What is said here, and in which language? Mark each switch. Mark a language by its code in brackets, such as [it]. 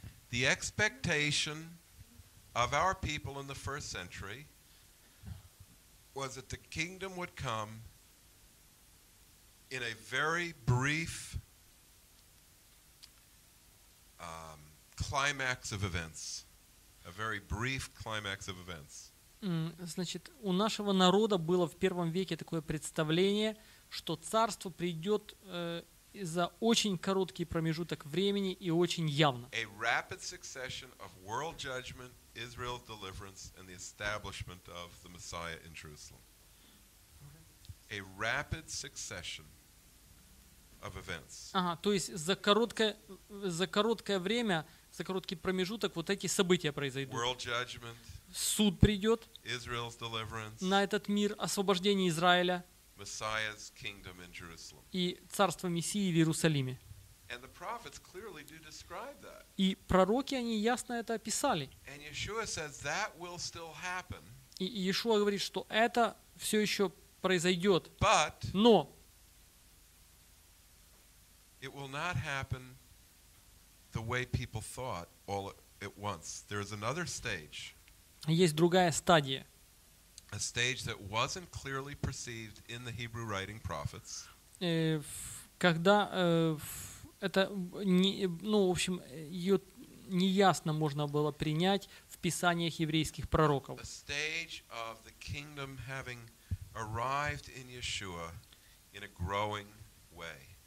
[en] The expectation of our people in the first century was that the kingdom would come in a very brief climax of events. A very brief climax of events. [ru] Значит, у нашего народа было в первом веке такое представление, что царство придет за очень короткий промежуток времени и очень явно. [en] A rapid succession of world judgment, Israel's deliverance, and the establishment of the Messiah in Jerusalem. A rapid succession. [ru] Ага, то есть за короткое время за короткий промежуток вот эти события произойдут. [en] World judgment, [ru] суд придет. [en] Israel's deliverance, [ru] на этот мир освобождение Израиля. [en] Messiah's kingdom in Jerusalem. [ru] И царство Мессии в Иерусалиме. [en] And the prophets clearly do describe that. [ru] И пророки, они ясно это описали. [en] And Yeshua says that will still happen. [ru] И Иешуа говорит, что это все еще произойдет. [en] But [ru] но [en] it will not happen the way people thought all at once. There is another stage. [ru] Есть другая стадия. [en] A stage that wasn't clearly perceived in the Hebrew writing prophets. [ru] Когда это не, ну, в общем, ее неясно можно было принять в писаниях еврейских пророков. [en] A stage of the kingdom having arrived in Yeshua in a growing way.